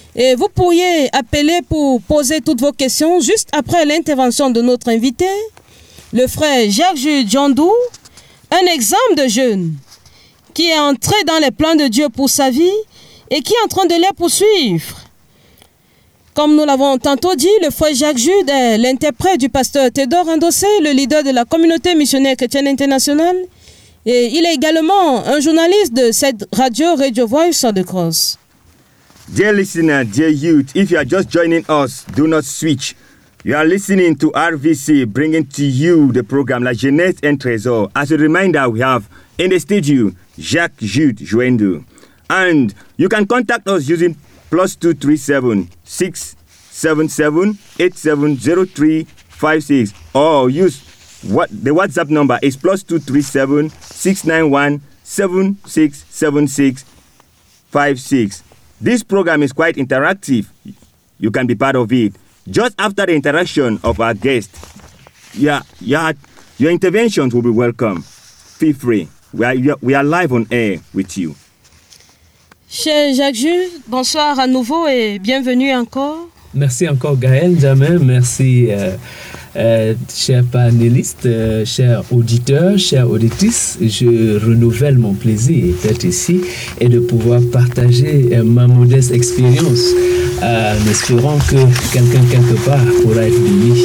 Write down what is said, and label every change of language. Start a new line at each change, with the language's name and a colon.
French: Et vous pourriez appeler pour poser toutes vos questions juste après l'intervention de notre invité, le frère Jacques Jondou, un exemple de jeune qui est entré dans les plans de Dieu pour sa vie et qui est en train de les poursuivre. Comme nous l'avons tantôt dit, le frère Jacques Jude est l'interprète du pasteur Théodore Andossé, le leader de la communauté missionnaire chrétienne internationale, et il est également un journaliste de cette radio, Radio Voice of the Cross.
English: Dear listener, dear youth, if you are just joining us, do not switch. You are listening to RVC bringing to you the program La Jeunesse en Trésor. As a reminder, we have in the studio Jacques Jude Jondou. And you can contact us using +237 677 870356 or use what the WhatsApp number is +237 691 767656. This program is quite interactive. You can be part of it. Just after the interaction of our guest, your interventions will be welcome. Feel free. We are live on air with you.
French: Cher Jacques Jules, bonsoir à nouveau et bienvenue encore. Merci encore Gaëlle Jamin. Merci chers panélistes, chers auditeurs, chères auditrices. Je renouvelle mon plaisir d'être ici et de pouvoir partager ma modeste expérience en espérant que quelqu'un quelque part pourra être béni.